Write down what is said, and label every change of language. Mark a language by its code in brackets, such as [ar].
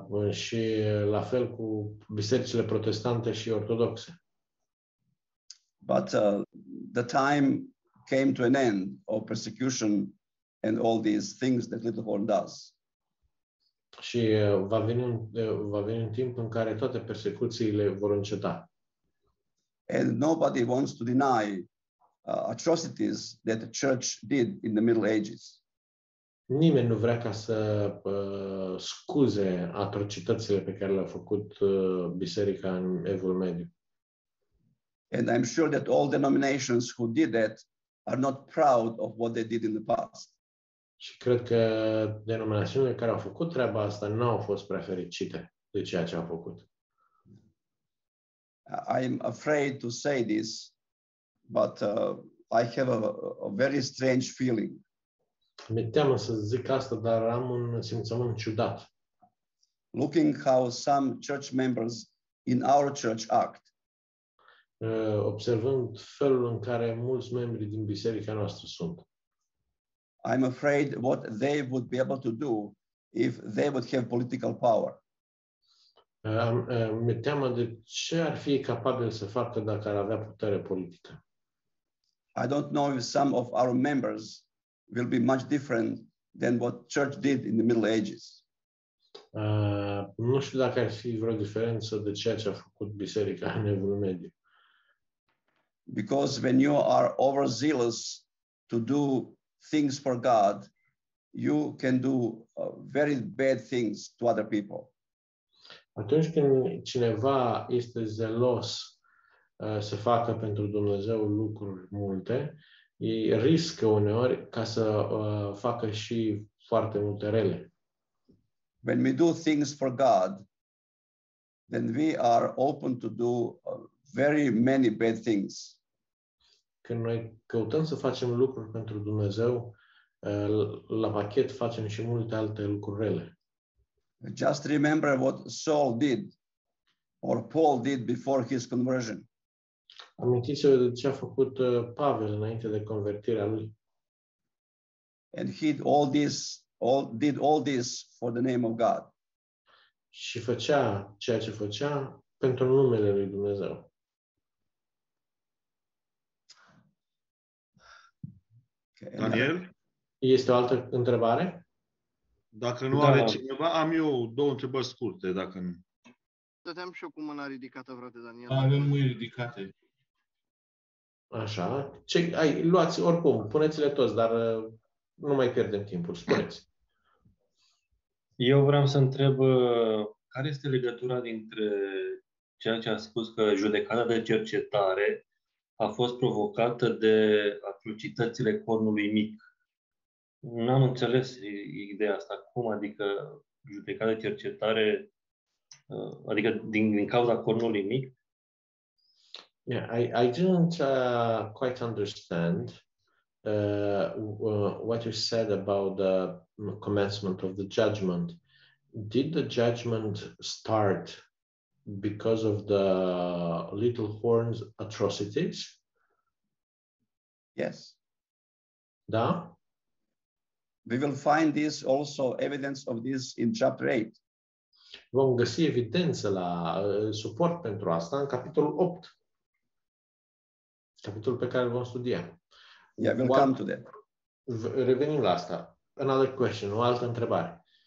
[ro] Și la fel cu bisericile protestante și ortodoxe. [en] But the time came to an end of persecution and all these things that Littlehorn does. [ro] Și va veni un timp în care toate persecuțiile vor înceta. [en] And nobody wants to deny atrocities that the church did in the Middle Ages. [ro] Nimeni nu vrea ca să scuze atrocitățile pe care le-a făcut biserica în Evul Mediu. [en] And I'm sure that all denominations who did that are not proud of what they did in the past. [ro] Și cred că denominațiunile care au făcut treaba asta nu au fost prea fericite de ceea ce au făcut. [en] I'm afraid to say this, but I have a very strange feeling. [ro] Mi-e teamă să zic asta, dar am un simțământ ciudat. [en] Looking how some church members in our church act. [ro] Observând felul în care mulți membri din biserica noastră sunt. [en] I'm afraid what they would be able to do if they would have political power. [ro] Mi-e teamă de ce ar fi capabil să facă dacă ar avea putere politică. [en] I don't know if some of our members will be much different than what church did in the Middle Ages. [ro] Nu știu dacă ar fi vreo diferență de ceea ce a făcut biserica în Evul Mediu. [en] Because when you are overzealous to do things for God, you can do very bad things to other people. [ro] Atunci când cineva este zelos să facă pentru Dumnezeu lucruri multe, îi riscă uneori ca să facă și foarte multe rele. [en] When we do things for God, then we are open to do very many bad things. [ro] Când noi căutăm să facem lucruri pentru Dumnezeu, la pachet facem și multe alte lucruri rele. [en] Just remember what Saul did, or Paul did before his conversion. [ro] Amintiți-vă de ce a făcut Pavel înainte de convertirea lui. [en] And he did all this for the name of God. [ro] Și făcea ceea ce făcea pentru numele lui Dumnezeu. Daniel? Este o altă întrebare? Dacă nu are cineva, am eu două întrebări scurte, dacă nu. Stăteam și eu cu mâna ridicată, frate Daniel. Avem mâini ridicate. Așa. Ce, ai, luați oricum, puneți-le toți, dar nu mai pierdem timpul, spuneți. Eu vreau să întreb care este legătura dintre ceea ce a spus că judecata de cercetare a fost provocată de atrocitățile cornului mic. N-am înțeles ideea asta. Cum? Adică judecata de cercetare, adică din cauza cornului mic? [en] Yeah, I didn't quite understand what you said about the commencement of the judgment. Did the judgment start because of the little horns atrocities? Yes. [ro] Da? [en] We will find this also evidence of this in chapter 8. [ro] Vom găsi evidență la suport pentru asta în capitolul 8. Capitolul pe care îl vom studia. [en] Yeah, we'll come to that. [ro] Revenim la asta. [en] Another question, [ro] o altă întrebare.